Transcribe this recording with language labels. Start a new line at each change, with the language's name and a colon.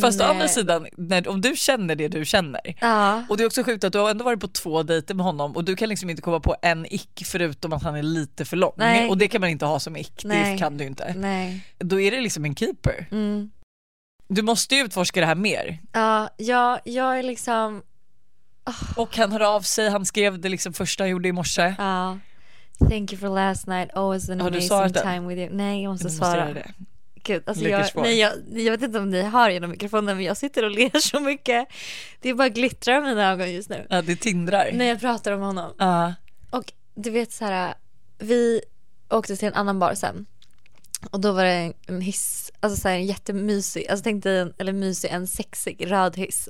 Swedish: fast å andra sidan, när, om du känner det du känner och det är också sjukt att du har ändå varit på två dejter med honom och du kan liksom inte komma på en ick förutom att han är lite för lång. Nej. Och det kan man inte ha som ick, det kan du inte. Nej. Då är det liksom en keeper. Mm. Du måste ju utforska det här mer. Ja, jag är liksom Och han hör av sig, han skrev det liksom första jag gjorde i morse.
English: Thank you for last night, always an amazing time with you.
Swedish: Nej, jag måste svara det. Gud, alltså jag vet inte om ni hör genom mikrofonen, men jag sitter och ler så mycket. Det är bara glittrar i mina ögon just nu. Ja, det tindrar. När jag pratar om honom. Och du vet så här, vi åkte till en annan bar sen. Och då var det en hiss, alltså så här, en jättemysig, alltså tänkte en, eller mysig, en sexig röd hiss.